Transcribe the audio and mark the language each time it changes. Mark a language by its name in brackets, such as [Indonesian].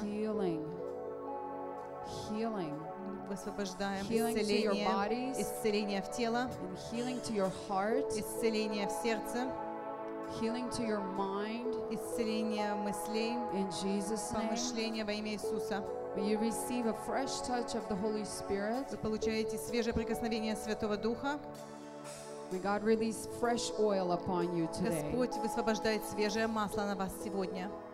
[English] Healing. Healing. [Russian] Высвобождаем исцеление в тело. [English] Healing to your heart. [Russian] Исцеление в сердце. [English] Healing to your mind. [Russian] Исцеление мыслей. [English] In Jesus' name. [Russian] Помышление во имя Иисуса. [English] You receive a fresh touch of the Holy Spirit. [Russian] Вы получаете свежее прикосновение Святого Духа. [English] May God release fresh oil upon you today. [Russian] Господь высвобождает свежее масло на вас сегодня.